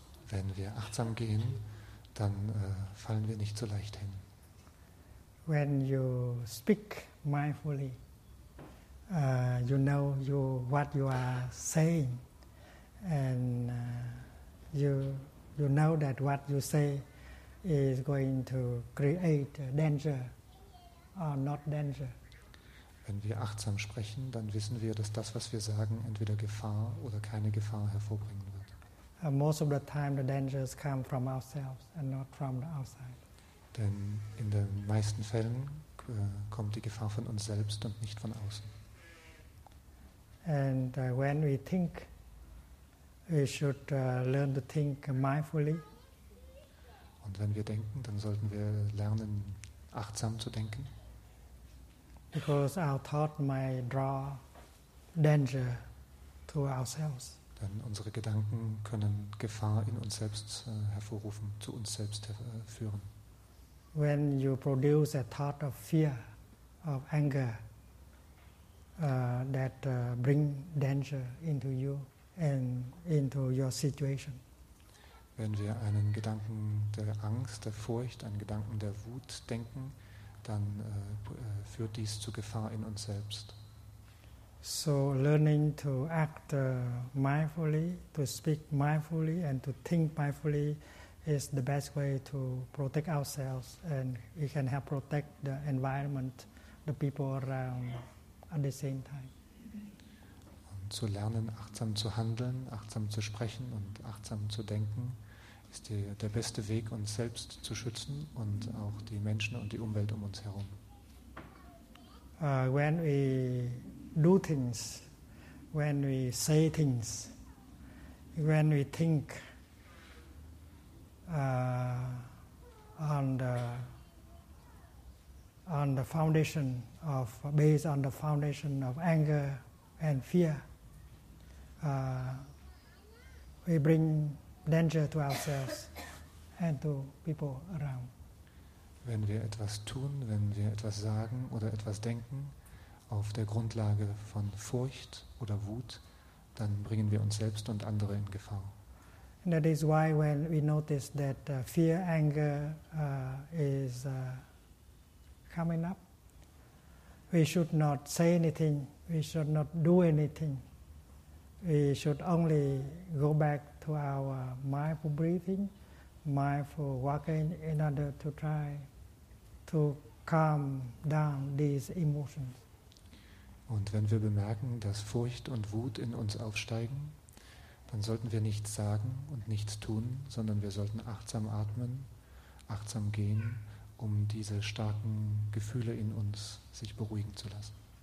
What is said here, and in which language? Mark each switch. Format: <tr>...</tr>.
<de>Wenn wir achtsam gehen, dann fallen wir nicht so leicht hin.</de> <en>When you speak mindfully, you know what you are saying, and you know that what you say is going to create danger or not danger.</en> <de>Wenn wir achtsam sprechen, dann wissen wir, dass das, was wir sagen, entweder Gefahr oder keine Gefahr hervorbringen wird.</de> <en>Most of the time, the dangers come from ourselves and not from the outside.</en> <de>Denn in den meisten Fällen kommt die Gefahr von uns selbst und nicht von außen.</de> <en>And when we think, we should learn to think mindfully.</en> <de>Und wenn wir denken, dann sollten wir lernen, achtsam zu denken.</de> <en>Because our thought might draw danger to ourselves.</en> <de>Denn unsere Gedanken können Gefahr in uns selbst hervorrufen, zu uns selbst führen.</de> <en>When you produce a thought of fear, of anger, that bring danger into you and into your situation.</en> <de>Wenn wir einen Gedanken der Angst, der Furcht, einen Gedanken der Wut denken, dann führt dies zu Gefahr in uns selbst.</de> <en>So learning to act mindfully, to speak mindfully and to think mindfully is the best way to protect ourselves, and we can help protect the environment, the people around at the same time.</en> <de>Und zu lernen, achtsam zu handeln, achtsam zu sprechen und achtsam zu denken, ist der beste Weg, uns selbst zu schützen und auch die Menschen und die Umwelt um uns herum.</de> <en>When we do things, when we say things, when we think based on the foundation of anger and fear, we bring danger to ourselves and to people around.</en> <de>Wenn wir etwas tun, wenn wir etwas sagen oder etwas denken auf der Grundlage von Furcht oder Wut, dann bringen wir uns selbst und andere in Gefahr.</de> <en>And that is why when we notice that fear, anger is coming up, we should not say anything, we should not do anything. We should only go back to our mindful breathing, mindful walking, in order to try to calm down these emotions.</en> <de>Und wenn wir bemerken, dass Furcht und Wut in uns aufsteigen, dann sollten wir nichts sagen und nichts tun, sondern wir sollten achtsam atmen, achtsam gehen um diese starken Gefühle in uns sich beruhigen zu lassen.</de>